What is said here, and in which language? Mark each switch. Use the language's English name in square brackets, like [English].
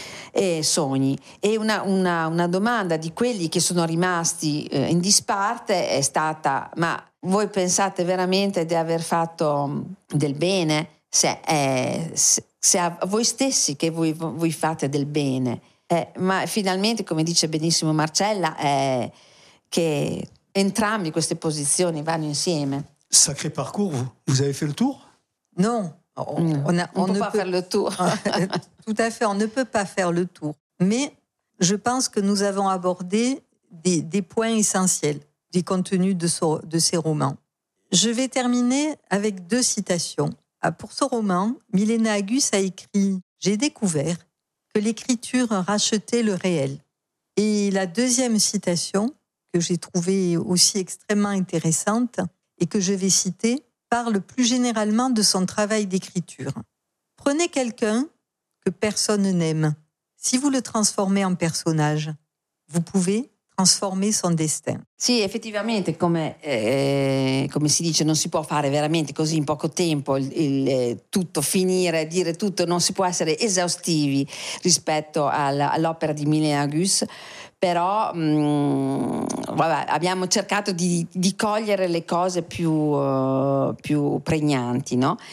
[Italian] E una domanda di quelli che sono rimasti in disparte è stata: ma voi pensate veramente di aver fatto del bene? Se a voi stessi che voi fate del bene. Ma finalmente, come dice benissimo Marcella, che entrambi queste posizioni vanno insieme. [French] Sacré parcours, vous avez fait le tour? Non, on ne peut pas faire le tour. Tout à fait, on ne peut pas faire le tour. Mais je pense que nous avons abordé des points essentiels du contenu de ces romans. Je vais terminer avec deux citations. Pour ce roman, Milena Agus a écrit « J'ai découvert que l'écriture rachetait le réel ». Et la deuxième citation, que j'ai trouvée aussi extrêmement intéressante et que je vais citer, parle plus généralement de son travail d'écriture. « Prenez quelqu'un que personne n'aime. Si vous le transformez en personnage, vous pouvez transformer son destin. » [Italian] Sì, effettivamente, come si dice, non si può fare veramente così in poco tempo tutto finire, dire tutto, non si può essere esaustivi rispetto all'opera di Milena Agus. però vabbè, abbiamo cercato di cogliere le cose più pregnanti, no?